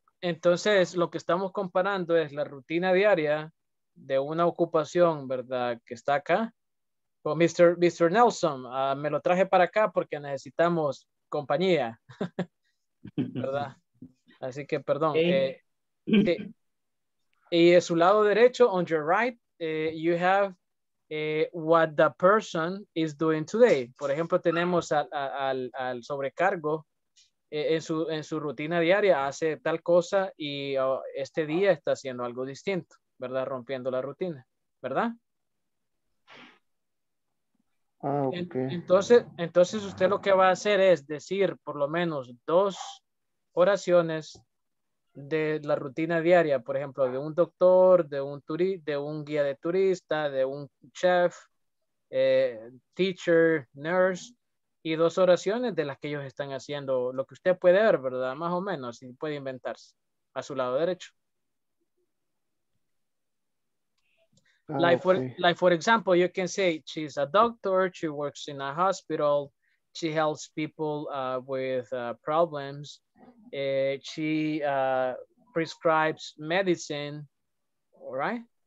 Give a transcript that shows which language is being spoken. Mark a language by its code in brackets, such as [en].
[es] Entonces, lo que estamos comparando es la rutina diaria de una ocupación, ¿verdad?, que está acá. Pues, Mr. Nelson, me lo traje para acá porque necesitamos compañía, ¿verdad? Así que, perdón. Y en su lado derecho, [en] on your right, you have what the person is doing today. [es] Por ejemplo, tenemos al sobrecargo en su rutina diaria, hace tal cosa y este día está haciendo algo distinto, ¿verdad? Rompiendo la rutina, ¿verdad? Ah, okay. Entonces usted lo que va a hacer es decir por lo menos dos oraciones de la rutina diaria, por ejemplo, de un doctor, de un guía de turista, de un chef, teacher, nurse, y dos oraciones de las que ellos están haciendo, lo que usted puede ver, ¿verdad? Más o menos, y puede inventarse, a su lado derecho. [en] Like for example, you can say, she's a doctor, she works in a hospital, she helps people with problems. She prescribes medicine, all right?